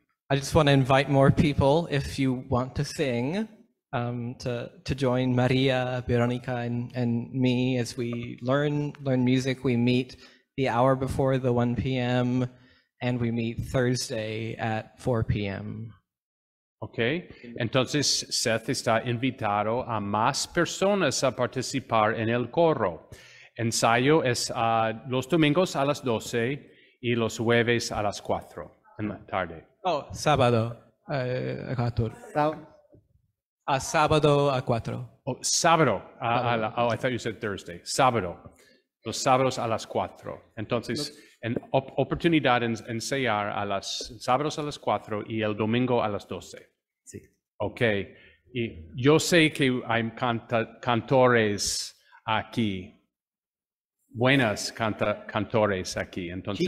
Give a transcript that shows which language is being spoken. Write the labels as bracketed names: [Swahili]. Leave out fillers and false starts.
[English] I just want to invite more people, if you want to sing, to join Maria, Veronica, and me as we learn music. We meet the hour before the 1 p.m. and we meet Thursday at 4 p.m. [Spanish] Okay, entonces Seth está invitado a más personas a participar en el coro. Ensayo es los domingos a las 12 y los jueves a las 4 en la tarde. Oh, sábado a 4. A sábado a 4. [English] Oh, sábado. I thought you said Thursday. Sábado. [Spanish] Los sábados a las cuatro. Entonces, en oportunidad de enseñar a las sábados a las cuatro y el domingo a las doce. Sí. Ok. Y yo sé que hay cantores aquí. Buenas cantores aquí. Entonces,